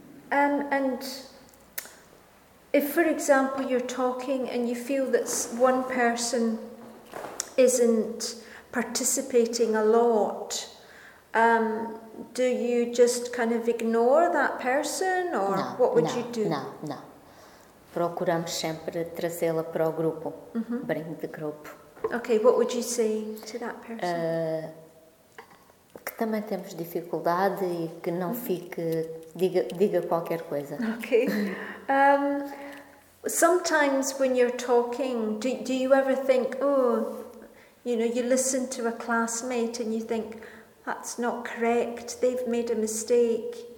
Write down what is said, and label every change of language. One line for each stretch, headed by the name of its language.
English: And if, for example, you're talking and you feel that one person isn't participating a lot, do you just kind of ignore that person or no, what would no, you do?
Portuguese: No. Procuramos sempre trazê-la para o grupo,
English: bring the group. Okay, what would you say to that person?
Portuguese: Que também temos dificuldade e que não fique, diga qualquer coisa.
English: Okay. Sometimes when you're talking, do you ever think, you listen to a classmate and you think, that's not correct, they've made a mistake?